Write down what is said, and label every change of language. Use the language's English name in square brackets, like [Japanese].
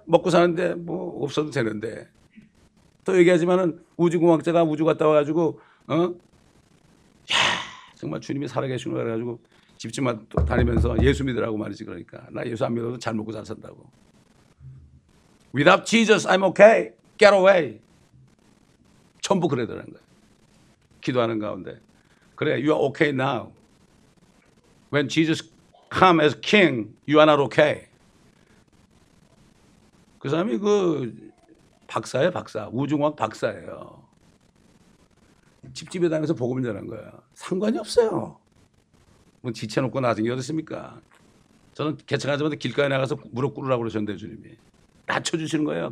[Korean] 먹고 사는데 뭐 없어도 되는데. 또 얘기하지만은 우주공학자가 우주 갔다 와가지고 야 정말 주님이 살아계신 걸 가지고 집집만 또 다니면서 예수 믿으라고 말이지 그러니까 나 예수 안 믿어도 잘 먹고 잘 산다고. [English] Without Jesus, I'm okay. Get away. [Korean] 전부 그래더라는 거예요. 기도하는 가운데 그래, [English] you are okay now. When Jesus come as king, you are not okay. [Korean] 그 사람이 그 박사예요, 박사. 우주공학 박사예요. 집집에 다니면서 복음을 전한 거예요. 상관이 없어요. 뭐 지쳐놓고 나중에 어땠습니까? 저는 개척하자마자 길가에 나가서 무릎 꿇으라고 그러셨는데 주님이. 낮춰주시는 거예요.